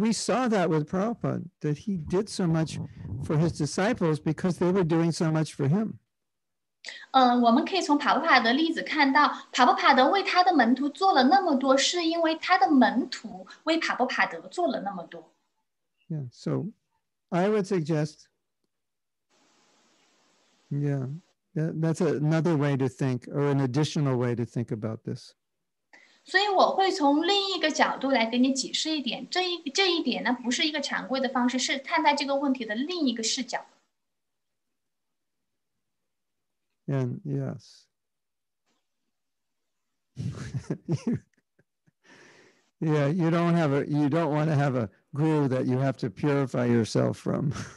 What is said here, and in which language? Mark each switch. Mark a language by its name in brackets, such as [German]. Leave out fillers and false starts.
[English] we saw that with Prabhupada, that he did so much for his disciples because they were doing so much for him. [Chinese] 我们可以从帕布帕德的例子看到，帕布帕德为他的门徒做了那么多，是因为他的门徒为帕布帕德做了那么多。Yeah, [English] so I would suggest. Yeah, that's another way to think, or an additional way to think about this. [Chinese] 所以我会从另一个角度来给你解释一点，这一点呢不是一个常规的方式，是看待这个问题的另一个视角。And [English] yes, yeah, you don't want to have a guru that you have to purify yourself from.